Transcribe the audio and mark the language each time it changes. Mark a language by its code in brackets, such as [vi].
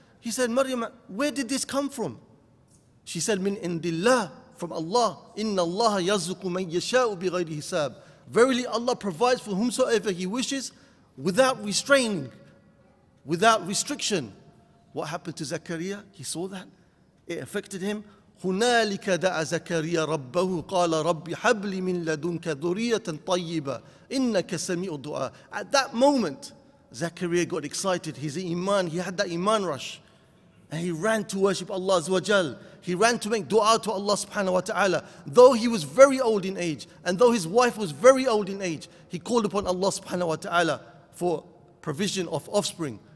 [en] He said, Maryam, where did this come from? She said, [ar] min indillah, [en] from Allah. [ar] Inna Allah yazuku man yasha'u bi ghayri hisab. [en] Verily, Allah provides for whomsoever He wishes without restraining, without restriction. What happened to Zakariya? He saw that. It affected him. [ar] هنالك دعا زكريا ربه قال ربي حب لي من لدنك ذرية طيبة إنك سميع الدعاء. [en] At that moment, Zakariya got excited. His iman, he had that iman rush. And he ran to worship Allah Azza wa Jal. He ran to make dua to Allah subhanahu wa ta'ala. Though he was very old in age, and though his wife was very old in age, he called upon Allah subhanahu wa ta'ala for provision of offspring.